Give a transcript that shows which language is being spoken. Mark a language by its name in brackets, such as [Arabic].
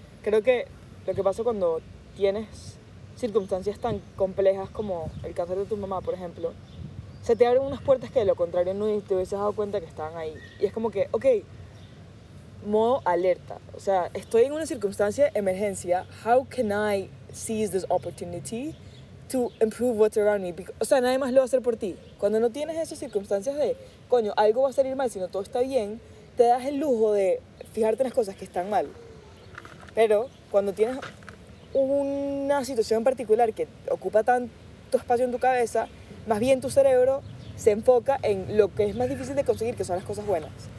[Spanish] Creo que lo que pasa cuando tienes circunstancias tan complejas como el cáncer de tu mamá, por ejemplo, se te abren unas puertas que de lo contrario no te hubieses dado cuenta que estaban ahí. Y es como que, okay, modo alerta. O sea, estoy en una circunstancia de emergencia. [English] How can I seize this opportunity to improve what's around me? [Spanish] O sea, nadie más lo va a hacer por ti. Cuando no tienes esas circunstancias de, coño, algo va a salir mal, sino todo está bien, te das el lujo de fijarte en las cosas que están mal. Pero cuando tienes una situación en particular que ocupa tanto espacio en tu cabeza, más bien tu cerebro se enfoca en lo que es más difícil de conseguir, que son las cosas buenas.